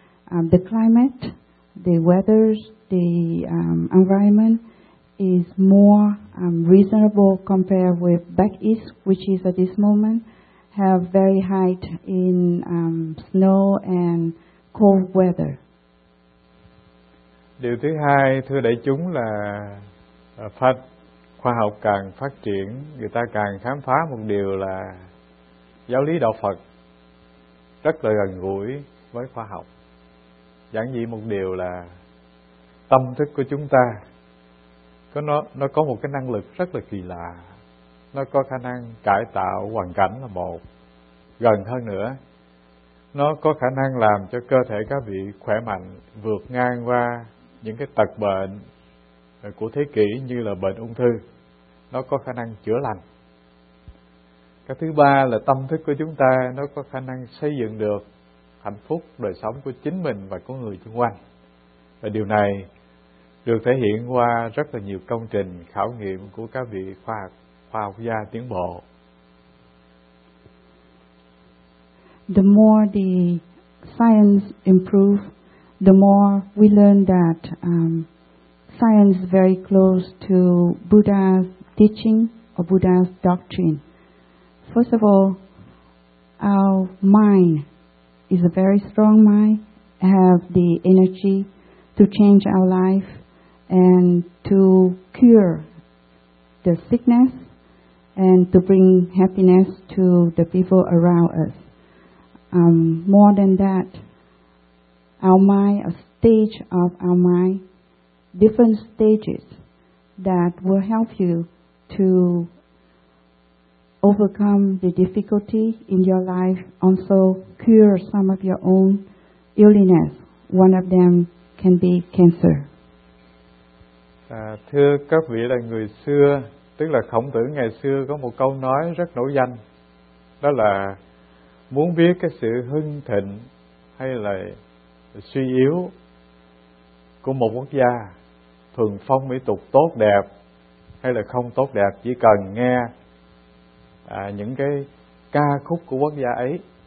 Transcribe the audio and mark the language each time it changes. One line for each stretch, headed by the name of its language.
English: The climate, the weather, the environment is more reasonable compared with back east, which is at this moment have very high in snow and cold weather.
Vietnamese: Điều thứ hai, thưa đại chúng, là phát khoa học càng phát triển, người ta càng khám phá một điều là giáo lý đạo Phật rất là gần gũi với khoa học. Giản dị một điều là tâm thức của chúng ta có nó có một cái năng lực rất là kỳ lạ. Nó có khả năng cải tạo hoàn cảnh là một. Gần hơn nữa, nó có khả năng làm cho cơ thể các vị khỏe mạnh, vượt ngang qua những cái tật bệnh của thế kỷ như là bệnh ung thư. Nó có khả năng chữa lành. Cái thứ ba là tâm thức của chúng ta nó có khả năng xây dựng được hạnh phúc đời sống của chính mình và của người xung quanh. Và điều này được thể hiện qua rất là nhiều công trình khảo nghiệm của các vị khoa học gia tiến bộ.
English: The more the science improve, the more we learn that science is very close to Buddha's teaching or Buddha's doctrine. First of all, our mind is a very strong mind, have the energy to change our life and to cure the sickness and to bring happiness to the people around us. More than that, our mind, a stage of our mind, different stages that will help you to overcome the difficulty in your life, also cure some of your own illness. One of them can be cancer.
Vietnamese: Thưa các vị là người xưa, tức là Khổng Tử ngày xưa có một câu nói rất nổi danh, đó là muốn biết cái sự hưng thịnh hay là suy yếu của một quốc gia, thuần phong mỹ tục tốt đẹp hay là không tốt đẹp, chỉ cần nghe những cái ca khúc của quốc gia ấy.